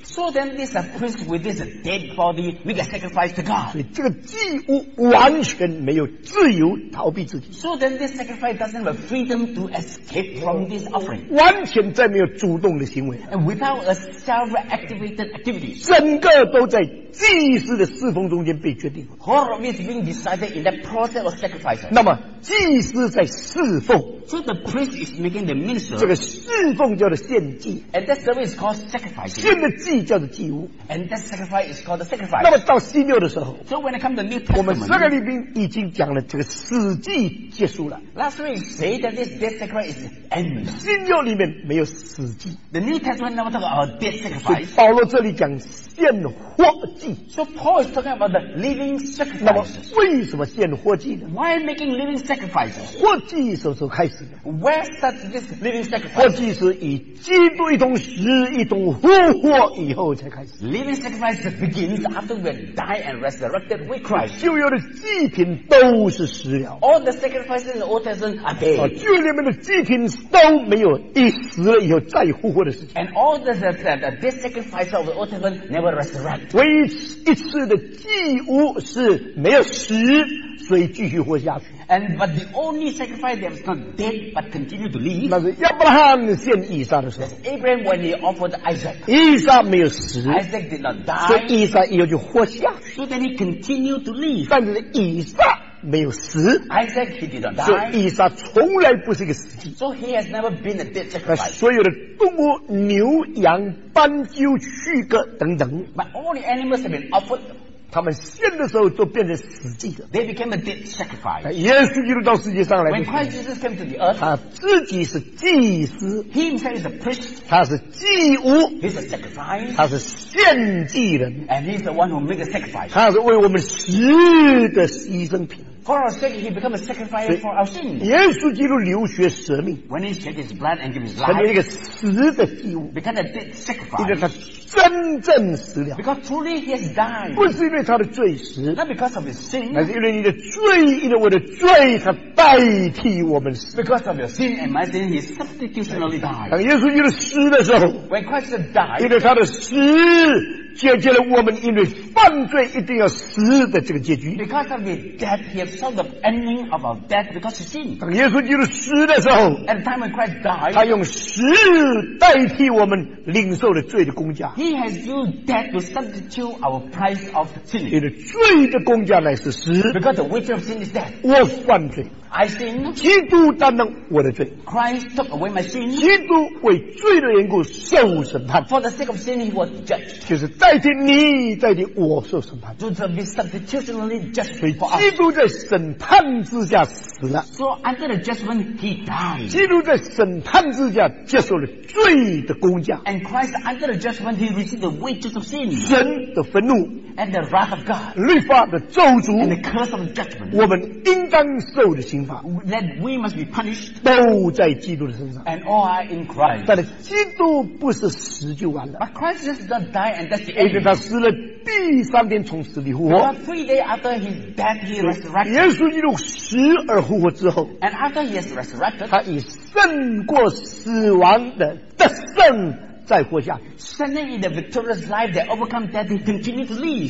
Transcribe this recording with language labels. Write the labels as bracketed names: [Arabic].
[English] So then this priest with this dead body make a sacrifice to God [Chinese] 所以这个祭物完全没有自由逃避自己 [English] So then this sacrifice doesn't have freedom to escape from this offering [Chinese] 完全再没有主动的行为 [English] And without a self-activated activity [Chinese] 整个都在祭司的侍奉中间被决定 [English] All of it is being decided in that process of sacrifice [Chinese] 那么祭司在侍奉 [English] So the priest is making the minister [Chinese] 这个侍奉叫做献祭 [English] And that service is called sacrifice [Chinese] 新的祭叫做祭物 [English] and that sacrifice is called the sacrifice. [Chinese] 那么到新约的时候 [English] so when it comes to New Testament, [Chinese] 我们上个礼拜已经讲了这个死祭结束了 [English] last week say that this dead sacrifice is end [Chinese] 新约里面没有死祭 [English] the New Testament never talk about dead sacrifice [Chinese] 所以保罗这里讲献活祭 [English] so Paul is talking about the living sacrifice [Chinese] 那么为什么献活祭呢 [English] why making living sacrifice [Chinese] 活祭什么时候开始的 [English] where starts this living sacrifice [Chinese] 活祭是以基督一同死一同活以后才开始 [English] Living sacrifice begins after we die and resurrected with Christ [Chinese] 旧约的祭品都是死了 [English] All the sacrifices in the Old Testament are dead [Chinese] 旧约里面的祭品都没有一死了以后再复活的事情 [English] And all the sacrifices of the Old Testament never resurrect [Chinese] 唯一一次的祭物是没有死所以继续活下去 [English] And but the only sacrifice that was not dead but continued to live [Chinese] 那是亚伯拉罕献以撒的时候 [English] Abraham when he offered Isaac [Chinese] 以撒没有死 [English] Isaac did not die [Chinese] 所以以撒以后就活下去 [English] So then he continued to live [Chinese] 但是以撒没有死 [English] Isaac he did not die [Chinese] 所以以撒从来不是一个死祭 [English] So he has never been a dead sacrifice [Chinese] 所有的动物牛羊斑鸠畜鸽等等 [English] But all the animals have been offered [Chinese] 他们献的时候都变成死祭了 [English] They became a dead sacrifice [Chinese] 耶稣基督到世界上来 [English] When Christ Jesus came to the earth [Chinese] 他自己是祭司 [English] He himself is a priest [Chinese] 他是祭物 [English] He's a sacrifice [Chinese] 他是献祭人 [English] And he's the one who makes a sacrifice [Chinese] 他是为我们死的牺牲品 [English] For our sake he became a sacrifice for our sins [Chinese] 耶稣基督流血舍命 [English] When he shed his blood and gave his life [Chinese] 成为一个死的祭物 [English] Became a dead sacrifice [Chinese] 他真正死了 [English] Because truly he has died [Chinese] 不是因为他的罪死 [English] Not because of his sin [Chinese] 乃是因为你的罪因为我的罪他代替我们死 [English] Because of your sin and my sin he substitutionally died [Chinese] 当耶稣基督死的时候 [English] When Christ died [Chinese] 因为他的死解决了我们因为犯罪一定要死的这个结局 [English] Because of his death he has solved the ending of our death because of sin [Chinese] 当耶稣基督死的时候 [English] At the time when Christ died [Chinese] 他用死代替我们领受了罪的工价 [English] He has used death to substitute our price of sin. [Chinese] 因为罪的工价乃是死 [English] Because the wages of sin is death. [Chinese] 我犯罪 [English] I sin. [Chinese] 基督担当我的罪。 [English] Christ took away my sin. [Chinese] 基督为罪的缘故受审判。 [English] For the sake of sin, he was judged. [Chinese] 就是代替你，代替我受审判。 [English] To be substitutionally judged. [Chinese] 所以基督在审判之下死了。 [English] So under the judgment, he died. [Chinese] 基督在审判之下接受了罪的工价。 [English] And Christ under the judgment, he received the wages of sin. [Chinese] 神的愤怒。 [English] And the wrath of God. [Chinese] 律法的咒诅。 [English] And the curse of judgment. [Chinese] 我们应当受的刑罚。 [English] That we must be punished. [Chinese] 都在基督的身上。 [English] And all are in Christ. [Chinese] 但是基督不是死就完了。 [English] But Christ just doesn't die and that's the end. [Chinese] 因为他死了第三天从死里复活。 [English] But 3 days after his death, he resurrected. [Chinese] 耶稣基督死而复活之后。 [English] And after he has resurrected. [Chinese] 他已胜过死亡的得胜。再活下去 [English] standing in the victorious life they overcome death they continue to live